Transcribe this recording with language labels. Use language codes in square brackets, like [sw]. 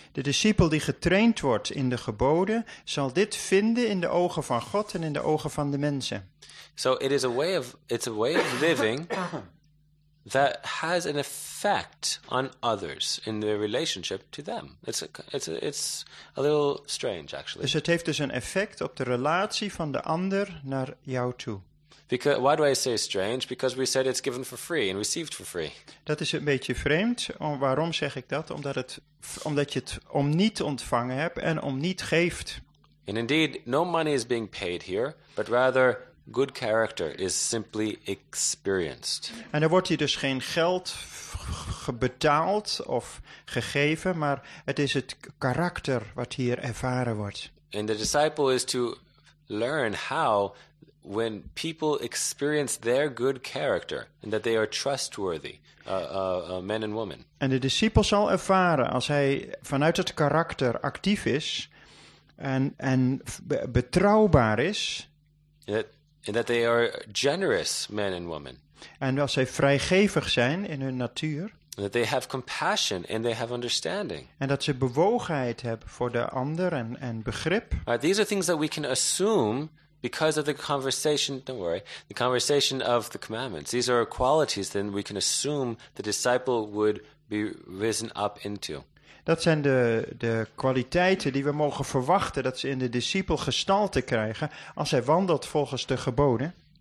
[nl] De discipel die getraind wordt in de geboden, zal dit vinden in de ogen van God en in de ogen van de mensen. [en] So it's a way of living that has an effect on others in their relationship to them. It's a little strange actually. [nl] Dus het heeft dus een effect op de relatie van de ander naar jou toe. [en] Because why do I say strange? Because we said it's given for free and received for free. [nl] Dat is een beetje vreemd. Waarom zeg ik dat? Omdat je het om niet ontvangen hebt en om niet geeft. [en] And indeed, no money is being paid here, but rather good character is simply experienced. [nl] En er wordt hier dus geen geld betaald of gegeven, maar het is het karakter wat hier ervaren wordt. [en] And the disciple is to learn how when people experience their good character and that they are trustworthy, men and women. [nl] En de discipel zal ervaren als hij vanuit het karakter actief is en betrouwbaar is. [en] And that they are generous men and women. [nl] En als zij vrijgevig zijn in hun natuur. [en] And that they have compassion and they have understanding. [nl] En dat ze bewogenheid hebben voor de ander en begrip. [en] These are things that we can assume because of the conversation. Don't worry, the conversation of the commandments. These are qualities that we can assume the disciple would be risen up into. [nl] Dat zijn de kwaliteiten die we mogen verwachten dat ze in de discipel gestalte krijgen als hij wandelt volgens de geboden.